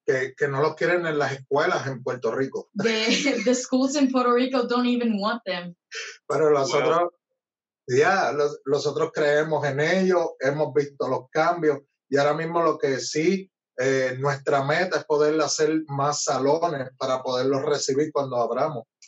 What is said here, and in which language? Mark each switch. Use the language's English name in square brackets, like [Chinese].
[Spanish] Que no los quieren en las escuelas en Puerto Rico. [English] The schools in Puerto Rico don't even want them. [Spanish] Pero nosotros creemos en ellos, hemos visto los cambios, y ahora mismo lo que sí, nuestra meta es poder hacer más salones para poderlos recibir cuando abramos.